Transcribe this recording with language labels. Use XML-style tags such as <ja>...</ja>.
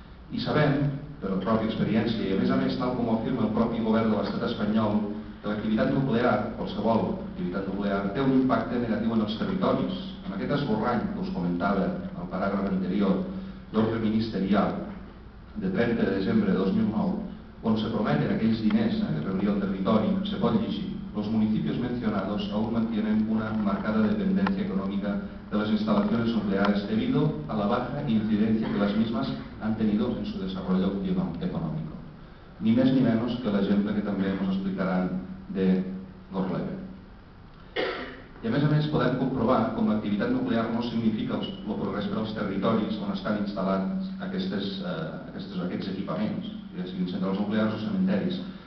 <ca>I sabem, per la pròpia experiència, i a més, tal com afirma el propi govern de l'Estat espanyol, que l'activitat nuclear, qualsevol activitat nuclear, té un impacte negatiu en els territoris. En aquest esborrany que us comentava al paràgraf anterior d'ordre ministerial, de 30 de desembre de 2009, on se prometen aquells diners que rebria el territori, se pot llegir.</ca> <es>Los municipios mencionados aún mantienen una marcada dependencia económica de las instalaciones nucleares debido a la baja incidencia que las mismas han tenido en su desarrollo económico.</es> <ca>Ni més ni menos que l'exemple que també ens explicaran de Gorleben. I a més, podem comprovar com l'activitat nuclear no significa el progrés per als territoris on estan instal·lats aquests equipaments, ja siguin centrals nuclears o cementeris.</ca>